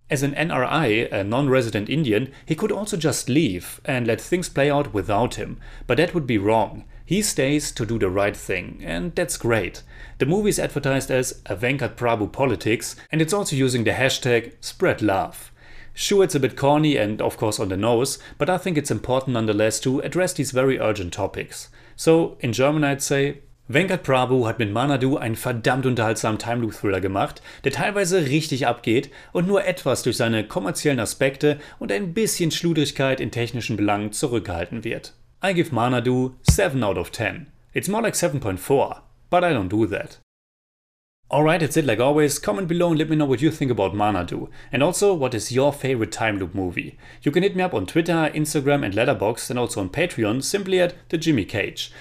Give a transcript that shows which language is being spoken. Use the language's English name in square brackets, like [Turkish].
[English] As an NRI, a non-resident Indian, he could also just leave and let things play out without him, but that would be wrong. He stays to do the right thing, and that's great. The movie is advertised as a Venkat Prabhu politics, and it's also using the hashtag spread love. Sure, it's a bit corny and of course on the nose, but I think it's important nonetheless to address these very urgent topics. So, in German I'd say, [German] Venkat Prabhu hat mit Maanaadu einen verdammt unterhaltsamen Time Loop Thriller gemacht, der teilweise richtig abgeht und nur etwas durch seine kommerziellen Aspekte und ein bisschen Schludrigkeit in technischen Belangen zurückgehalten wird. [English] I give Maanaadu 7 out of 10. It's more like 7.4, but I don't do that. Alright, that's it like always. Comment below and let me know what you think about Maanaadu. And also, what is your favorite time loop movie? You can hit me up on Twitter, Instagram and Letterboxd and also on Patreon, simply at The Jimmy Cage.